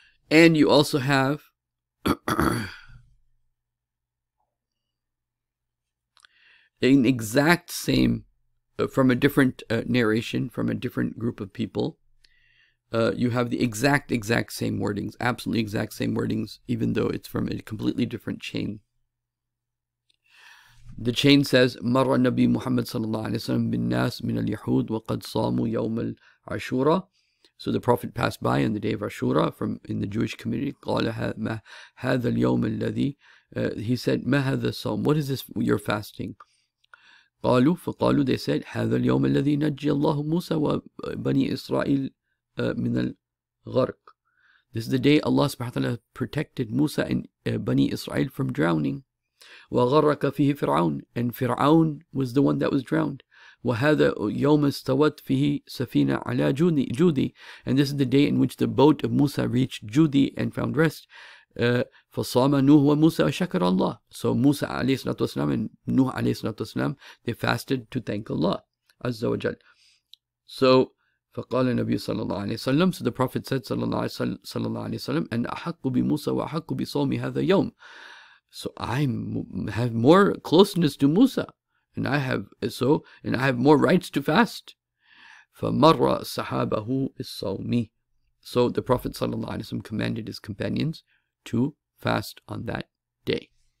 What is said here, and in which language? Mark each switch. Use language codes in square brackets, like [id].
[en] And you also have an exact same from a different narration from a different group of people. You have the exact same wordings, absolutely exact same wordings, even though it's from a completely different chain. [ar] The chain says, مَرَّ النَّبِي مُحَمَّدْ صَلَى اللَّهُ عَلَيْهِ وَسَلَّمْ بِالنَّاسِ مِنَ الْيَحُودِ وَقَدْ صَامُوا يَوْمَ الْعَشُورَ. [en] So the Prophet passed by on the day of Ashura from in the Jewish community. [ar] قَالَ مَا هَذَا الْيَوْمَ الَّذِي, [en] he said, [ar] مَا هَذَا الصَّوْمُ, [en] what is this you're fasting? [ar] قَالُوا, فَقَالُوا, [en] they said, [ar] هَذَا الْيَوْمَ الَّذِي نَجِّيَ اللَّهُ مُوسَى وَبَنِي إِسْرَائِيلَ. من الغرق. [en] This is the day Allah subhanahu wa ta'ala protected Musa and Bani Israel from drowning. [ar] وغرق فيه فرعون, [en] and Fir'aun was the one that was drowned. [ar] وهذا يوم استوت فيه سفينة على جودي, [en] and this is the day in which the boat of Musa reached Judi and found rest. [ar] فصام نوح وموسى وشكر الله. [en] So Musa [ar] عليه الصلاة والسلام [en] and Nuh عليه الصلاة والسلام, they fasted to thank Allah عز وجل. So [ar] فقال النبي صلى الله عليه وسلم, [en] so the Prophet said [ar] صلى الله عليه وسلم, أن أحق بموسى وأحق بصوم هذا يوم. [en] So I have more closeness to Musa, and I have so and I have more rights to fast. [ar] فمر صحابه الصوم. [en] So the Prophet [ar] صلى الله عليه وسلم [en] commanded his companions to fast on that day.